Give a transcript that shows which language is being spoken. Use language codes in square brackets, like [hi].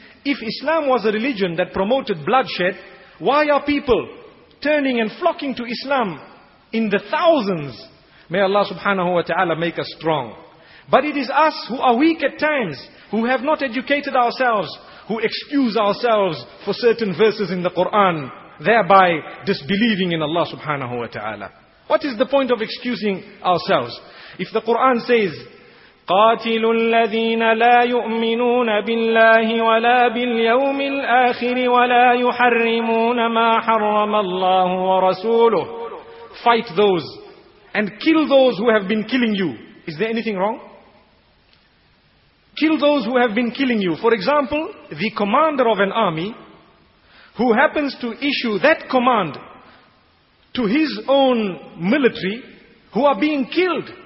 [en] If Islam was a religion that promoted bloodshed, why are people turning and flocking to Islam in the thousands? May Allah subhanahu wa ta'ala make us strong. But it is us who are weak at times, who have not educated ourselves, who excuse ourselves for certain verses in the Quran, thereby disbelieving in Allah subhanahu wa ta'ala. What is the point of excusing ourselves? If the Quran says, [ar] قاتلوا الذين لا يؤمنون بالله ولا باليوم الآخر ولا يحرمون ما حرم الله ورسوله. [en] Fight those and kill those who have been killing you. Is there anything wrong? Kill those who have been killing you. For example, the commander of an army who happens to issue that command to his own military who are being killed.